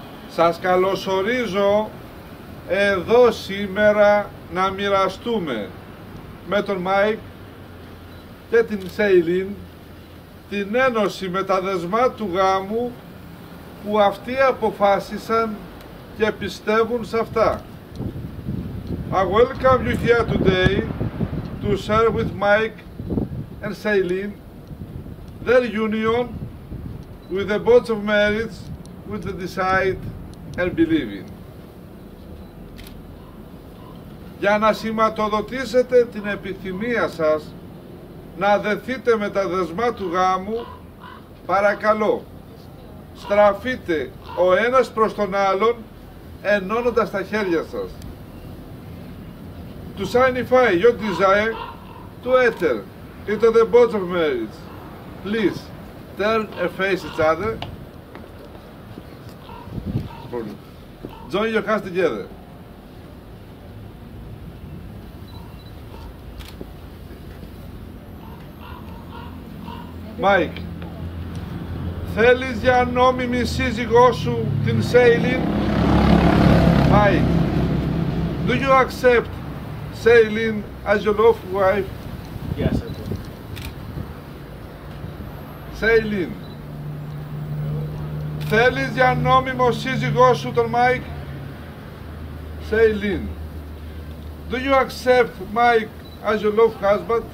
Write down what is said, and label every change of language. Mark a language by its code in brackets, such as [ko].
[el] Σας καλωσορίζω εδώ σήμερα να μοιραστούμε με τον Μάικ και την Σέιλιν την ένωση με τα δεσμά του γάμου που αυτοί αποφάσισαν και πιστεύουν σε αυτά. [en] I welcome you here today to serve with Mike and Celine, their union with the bonds of marriage which they decide and believe in. [el] Για να σηματοδοτήσετε την επιθυμία σας να δεθείτε με τα δεσμά του γάμου, παρακαλώ, στραφείτε ο ένας προς τον άλλον ενώνοντας τα χέρια σας. [en] To signify your desire to enter into the bonds of marriage, please turn and face each other. Join your hands together. [el] Mike, θέλεις για νόμιμη σύζυγό σου την Σέιλιν? [en] Mike, do you accept Celine as your lawful wife? Yes, I do. [el] Celine, θέλεις για νόμιμο σύζυγό σου τον Mike? [en] Celine, do you accept Mike as your lawful husband?